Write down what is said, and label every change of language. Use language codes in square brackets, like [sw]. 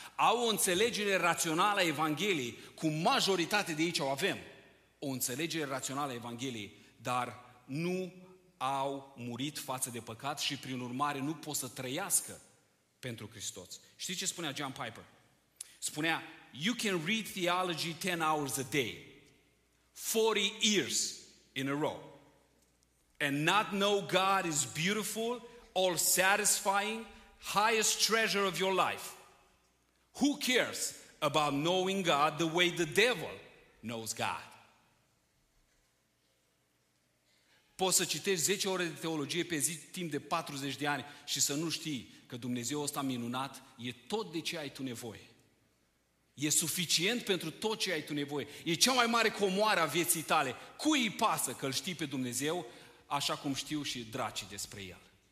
[ro] Au o înțelegere rațională a Evangheliei, cum majoritate de aici o avem. O înțelegere rațională a Evangheliei, dar nu au murit față de păcat și prin urmare nu pot să trăiască pentru Hristos. Știți ce spunea John Piper? [en] Spunea, you can read theology 10 hours a day, 40 years in a row, and not know God is beautiful, all-satisfying, highest treasure of your life. Who cares about knowing God the way the devil knows God? [ro] Poți să citești 10 ore de teologie pe zi timp de 40 de ani și să nu știi că Dumnezeu ăsta minunat e tot de ce ai tu nevoie. E suficient pentru tot ce ai tu nevoie. E cea mai mare comoară a vieții tale. Cui îi pasă că îl știi pe Dumnezeu așa cum știu și dracii despre El?